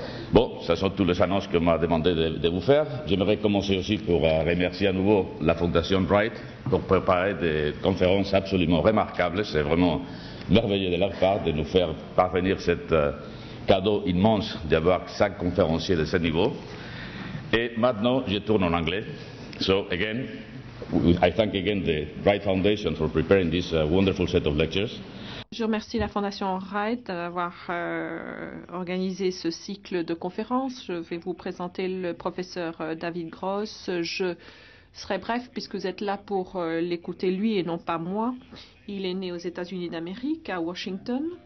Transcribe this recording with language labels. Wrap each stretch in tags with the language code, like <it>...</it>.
<fr>Bon, ce sont toutes les annonces qu'on m'a demandé de vous faire. J'aimerais commencer aussi pour remercier à nouveau la Fondation Bright pour préparer des conférences absolument remarquables. C'est vraiment merveilleux de leur part de nous faire parvenir cet cadeau immense d'avoir 5 conférenciers de ce niveau. Et maintenant, je tourne en anglais.</fr> <en>So, again, I thank again the Bright Foundation for preparing this wonderful set of lectures.</en> <fr>Je remercie la Fondation Wright d'avoir organisé ce cycle de conférences. Je vais vous présenter le professeur David Gross. Je serai bref puisque vous êtes là pour l'écouter lui et non pas moi. Il est né aux États-Unis d'Amérique, à Washington.</fr>